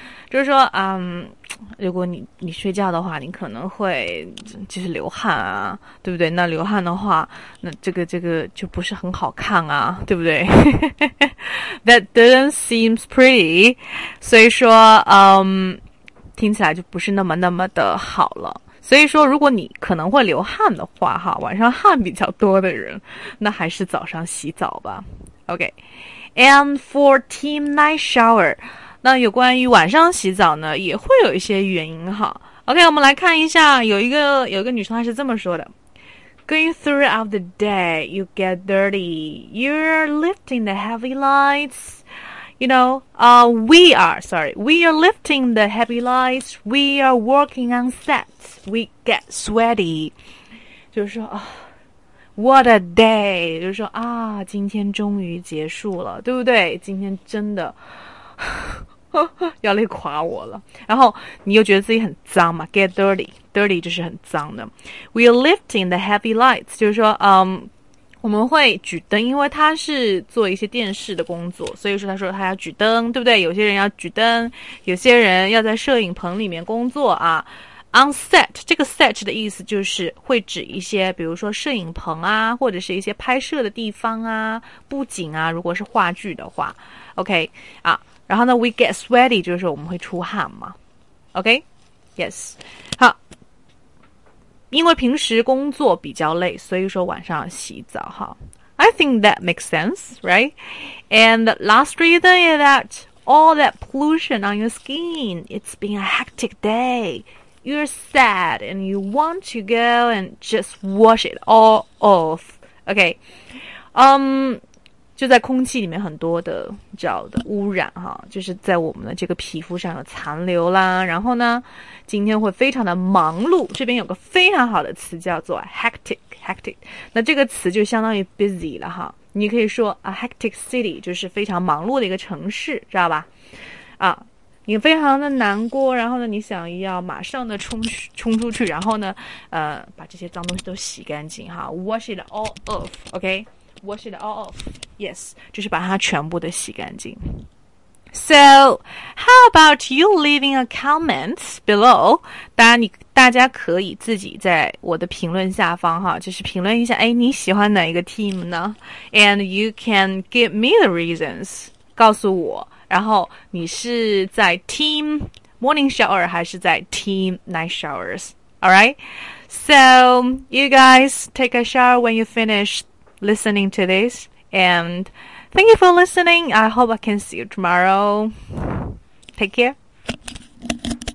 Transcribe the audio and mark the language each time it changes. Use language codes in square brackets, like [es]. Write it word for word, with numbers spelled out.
[zh] 就是说，嗯，如果你你睡觉的话，你可能会就是流汗啊，对不对？那流汗的话，那这个这个就不是很好看啊，对不对 ？ [en] That doesn't seem pretty. [zh] 所以说，嗯，听起来就不是那么那么的好了。所以说，如果你可能会流汗的话，哈，晚上汗比较多的人，那还是早上洗澡吧。 OK, [en] and for team night shower， [zh] 那有关于晚上洗澡呢，也会有一些原因哈。 OK, 我们来看一下，有一个有一个女生她是这么说的 ： [en] Going throughout the day, you get dirty. You're lifting the heavy lights. You know, uh, we are, sorry, we are lifting the heavy lights. We are working on sets. We get sweaty. [zh] 就是说、哦、 [en] what a day. [zh] 就是说啊，今天终于结束了，对不对？今天真的要累垮我了。然后你又觉得自己很脏嘛 ， [en] get dirty. [zh] Dirty 就是很脏的。 [en] We are lifting the heavy lights. [zh] 就是说，嗯。我们会举灯，因为他是做一些电视的工作，所以说他说他要举灯，对不对？有些人要举灯，有些人要在摄影棚里面工作啊。 On set， 这个 set 的意思就是会指一些，比如说摄影棚啊，或者是一些拍摄的地方啊、布景啊，如果是话剧的话 ，OK 啊。然后呢 ， [en] we get sweaty [zh] 就是我们会出汗嘛 ，OK，Yes，、okay? 好。因为平时工作比较累，所以说晚上洗澡哈。 [en] I think that makes sense, right? And the last reason is that all that pollution on your skin. It's been a hectic day. You're sad and you want to go and just wash it all off. Okay. Um, [zh] 就在空气里面很多的你知道的污染哈，就是在我们的这个皮肤上有残留啦。然后呢，今天会非常的忙碌。这边有个非常好的词叫做 hectic hectic， 那这个词就相当于 busy 了哈。你可以说 [en] a hectic city [zh] 就是非常忙碌的一个城市，知道吧？啊，你非常的难过，然后呢，你想要马上的冲冲出去，然后呢，呃，把这些脏东西都洗干净哈 ， [en] wash it all off， [zh] OK？ [en] Wash it all off. [zh] Yes, 就是把它全部的洗干净。 [en] So, how about you leaving a comment below? [zh] 当然你大家可以自己在我的评论下方哈，就是评论一下，哎，你喜欢哪一个 team 呢？ [en] And you can give me the reasons. [zh] 告诉我，然后你是在 [en] team morning shower [zh] 还是在 [en] team night showers? All right? So, you guys take a shower when you finish. Listening to this, and thank you for listening. I hope I can see you tomorrow. Take care.